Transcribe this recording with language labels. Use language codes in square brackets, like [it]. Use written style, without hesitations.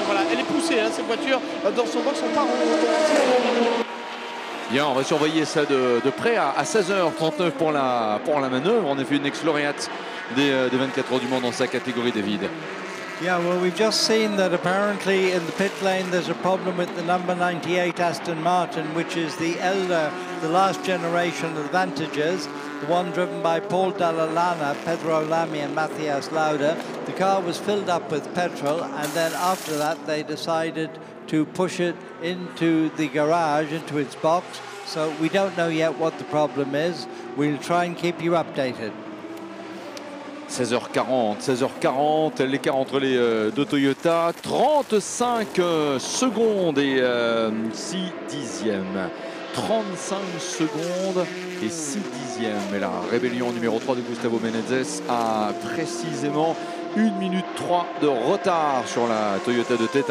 [fr] Elle est poussée, hein, cette voiture, dans son box, on part en bien, on va surveiller ça de près à 16h39 pour la manœuvre. En effet, une ex-lauréate des 24 heures du monde dans sa catégorie, David. [en] Yeah, well, we've just seen that apparently in the pit lane there's a problem with the number 98 Aston Martin, which is the elder, the last generation of the Vantages, the one driven by Paul Dalla-Lana, Pedro Lamy and Matthias Lauda. The car was filled up with petrol, and then after that they decided to push it into the garage, into its box. So we don't know yet what the problem is. We'll try and keep you updated. [fr] 16h40, l'écart entre les deux Toyota, 35 secondes et 6 dixièmes. 35 secondes et 6 dixièmes. Et la rébellion numéro 3 de Gustavo Menezes a précisément 1 minute 3 de retard sur la Toyota de tête.